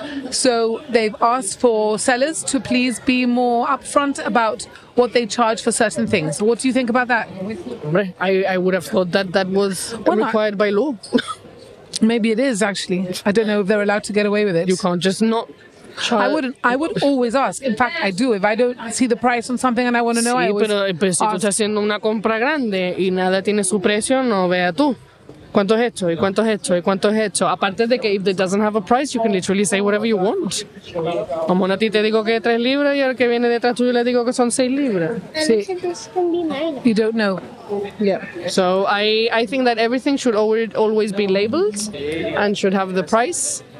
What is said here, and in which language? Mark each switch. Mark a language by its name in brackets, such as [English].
[English] So they've asked for sellers to please be more upfront about what they charge for certain things. What do you think about that? I would have thought that was required by law. Maybe it is, actually. I don't know if they're allowed to get away with it. You can't just not... I would always ask. In fact, I do. If I don't see the price on something and I want to know, [Spanish] sí, [English] I always [Spanish] pero, pero [English] ask. [Spanish] Si tú estás haciendo una compra grande y nada tiene su precio, no vea tú. ¿Cuánto es esto? ¿Y cuánto es esto? ¿Y cuánto es esto? Aparte de que [English] if it doesn't have a price, you can literally say whatever you want. [Spanish] Como a ti te digo que es 3 libras y al que viene detrás tuyo le digo que son 6 libras. [English] Sí. You don't know. Yeah. So I think that everything should always be labeled and should have the price.